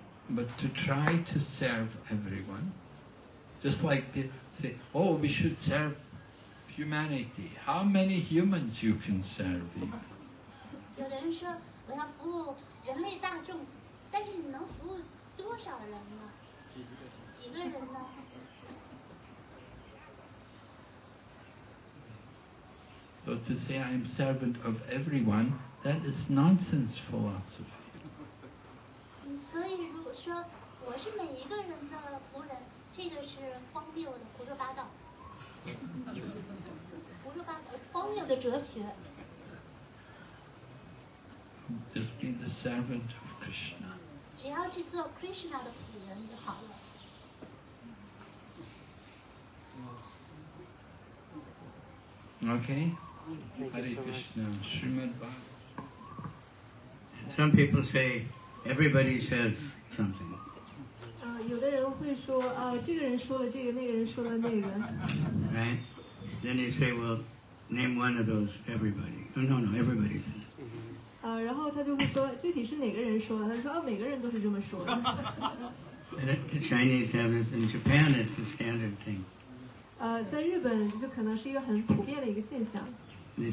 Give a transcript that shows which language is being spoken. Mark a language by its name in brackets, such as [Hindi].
[English] But to try to serve everyone, just like they say, oh, we should serve humanity. How many humans you can serve? [Chinese] 有人说我要服务人类大众，但是你能服务多少人呢？几个人呢？ [English] So to say I am servant of everyone, that is nonsense philosophy. [Chinese] 所以如果说我是每一个人的仆人，这个是荒谬的胡说八道，荒谬的哲学。 [English] Just be the servant of Krishna. [Chinese] 只要去做 Krishna 的仆人就好了。 [English] Okay. Hare Krishna. Srimad Bhagavatam. Some people say, everybody says something. [Chinese] 有的人会说，这个人说了这个，那个人说了那个。 [English] Right. Then you say, well, name one of those everybody. Oh, no, everybody says. [Chinese] 然后他就会说，具体是哪个人说的？他说，每个人都是这么说的。 [English] The Chinese have this, in Japan it's a standard thing. [Chinese] 在日本就可能是一个很普遍的一个现象。 [English] They